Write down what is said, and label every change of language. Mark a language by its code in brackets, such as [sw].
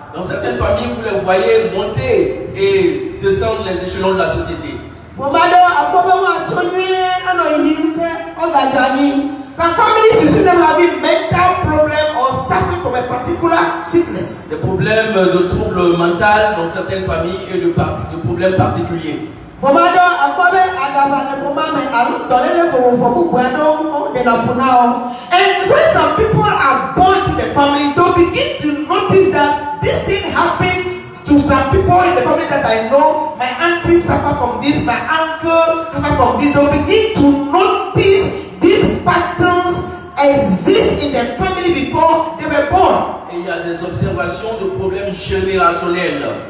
[fr] Dans certaines familles, vous les voyez monter et descendre les échelons de la société. [en] Some families you see them having mental problems or suffering from a particular sickness. [fr] Des problèmes de troubles mentaux dans certaines familles et de problèmes particuliers. [en] And when some people are born to the family, they begin to notice that this thing happened to some people in the family that I know. My auntie suffered from this, my uncle suffered from this. They begin to notice these patterns exist in the family before they were born. [fr] Et il y a des observations de problèmes générationnels.